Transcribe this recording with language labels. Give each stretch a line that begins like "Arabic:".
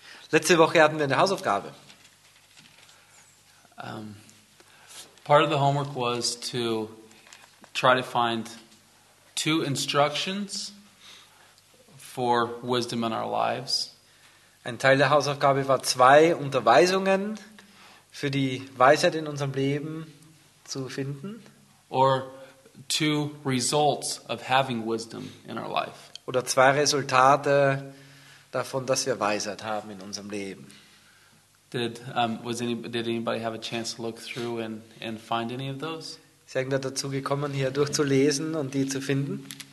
German: Letzte Woche hatten wir eine Hausaufgabe.
English: Part of the homework was to try to find two instructions for wisdom in our lives.
German: Ein Teil der Hausaufgabe war zwei Unterweisungen für die Weisheit in unserem Leben zu finden.
English: Or two results of having wisdom in our life.
German: Oder zwei Resultate davon, dass wir Weisheit haben in unserem Leben.
English: Did anybody have a chance to look through and find any of those?
German: Ist irgendwer dazu gekommen, hier durchzulesen und die zu finden?